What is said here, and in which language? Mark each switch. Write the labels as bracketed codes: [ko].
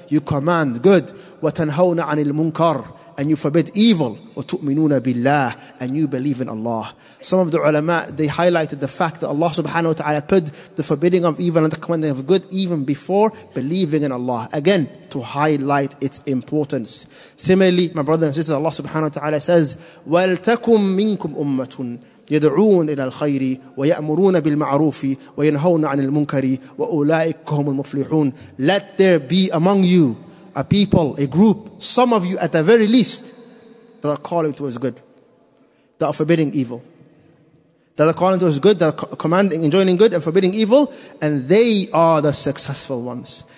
[en] You command good. [ar] Wa tanhawna anil munkar. [en] And you forbid evil, [ar] وَتُؤْمِنُونَ بِاللَّهِ, [en] and you believe in Allah. Some of the ulama, they highlighted the fact that Allah subhanahu wa ta'ala put the forbidding of evil and the commanding of good even before believing in Allah. Again, to highlight its importance. Similarly, my brothers and sisters, Allah subhanahu wa ta'ala says, [ar] وَلْتَكُمْ مِنْكُمْ أُمَّةٌ يَدْعُونَ إِلَى الْخَيْرِ وَيَأْمُرُونَ بِالْمَعْرُوفِ وَيَنْهَوْنَ عَنِ الْمُنْكَرِ وَأُولَئِكَ هُمُ الْمُفْلِحُونَ. [en] Let there be among you a people, a group, some of you at the very least, that are calling towards good, that are forbidding evil, that are calling towards good, that are commanding, enjoining good and forbidding evil, and they are the successful ones.